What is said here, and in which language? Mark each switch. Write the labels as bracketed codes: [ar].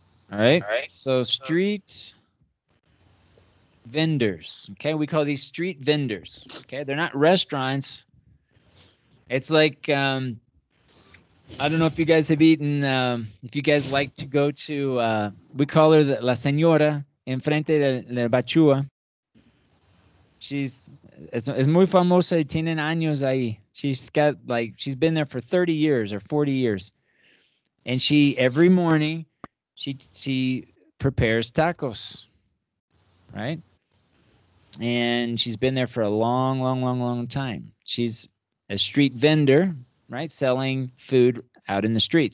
[en] All right. So street vendors. Okay, we call these street vendors. Okay, they're not restaurants. It's like, I don't know if you guys have eaten, if you guys like to go to, we call her La Señora, [es] enfrente de la Bachúa. [en] She's [es] muy famosa, tiene años ahí. [en] She's been there for 30 years or 40 years. And she, every morning, she prepares tacos, right? And she's been there for a long, long, long, long time. She's a street vendor, right, selling food out in the street.